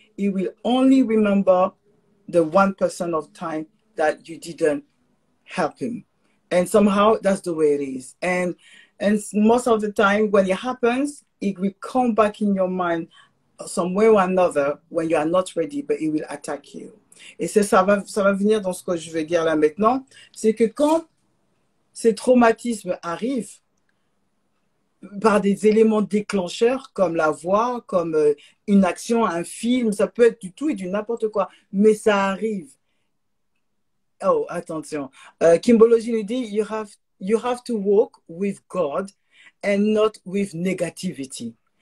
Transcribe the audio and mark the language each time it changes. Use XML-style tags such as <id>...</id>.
<en>He will only remember the 1% of time that you didn't help him. And somehow that's the way it is. And most of the time when it happens, it will come back in your mind some way or another when you are not ready, but it will attack you.</en> <fr>Et ça va venir dans ce que je vais dire là maintenant, c'est que quand ces traumatismes arrivent par des éléments déclencheurs comme la voix, comme une action, un film, ça peut être du tout et du n'importe quoi, mais ça arrive. Oh, attention. Kimbology nous dit,</fr> <en>you have to walk with God and not with negativity.</en>